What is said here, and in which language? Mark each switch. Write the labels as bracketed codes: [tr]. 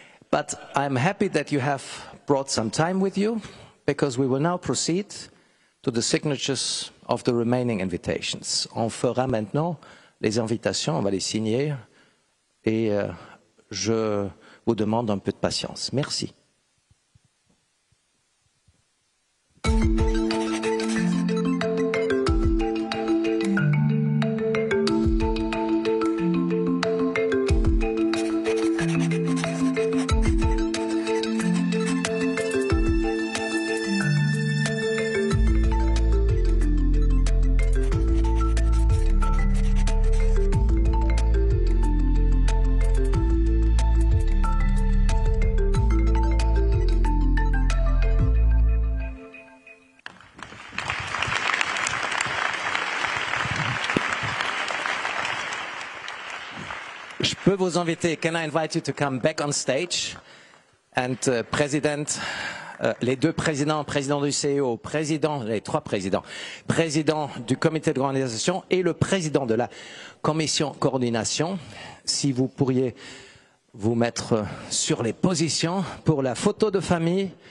[en] But I'm happy that you have brought some time with you, because we will now proceed to the signatures of the remaining invitations. [fr] On fera maintenant les invitations, on va les signer et je vous demande un peu de patience. Merci. Peut vous inviter. [en] Can I invite you to come back on stage? And President, [fr] les deux présidents, président du CEO, président, les trois présidents, président du comité de coordination et le président de la commission coordination, si vous pourriez vous mettre sur les positions pour la photo de famille.